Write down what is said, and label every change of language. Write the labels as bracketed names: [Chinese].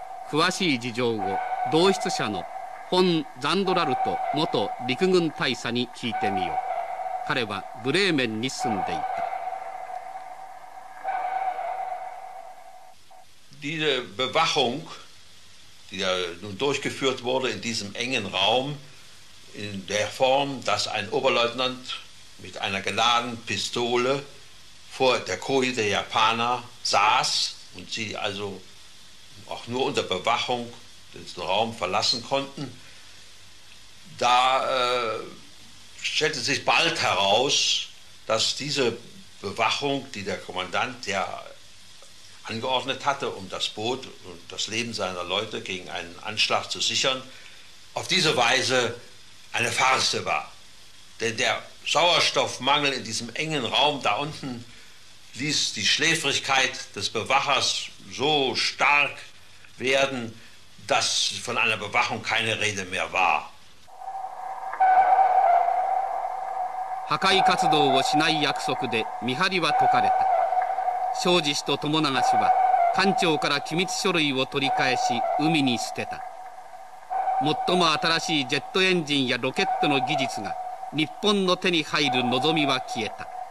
[Japanese] 詳しい事情を同室者のフォン・ザンドラルト元陸軍大佐に聞いてみよう。彼はブレーメンに住んでいた。 [German] Diese Bewachung, die ja nun durchgeführt wurde in diesem engen Raum, in der Form, dass ein Oberleutnant mit einer geladenen Pistole vor der Koje der Japaner saß und sie also auch nur unter Bewachung den Raum verlassen konnten,Da stellte sich bald heraus, dass diese Bewachung, die der Kommandant ja angeordnet hatte, um das Boot und das Leben seiner Leute gegen einen Anschlag zu sichern, auf diese Weise eine Farce war. Denn der Sauerstoffmangel in diesem engen Raum da unten ließ die Schläfrigkeit des Bewachers so stark werden, dass von einer Bewachung keine Rede mehr war. [Japanese] 破壊活動をしない約束で見張りは解かれた。庄司氏と友永氏は艦長から機密書類を取り返し海に捨てた。最も新しいジェットエンジンやロケットの技術が日本の手に入る望みは消えた。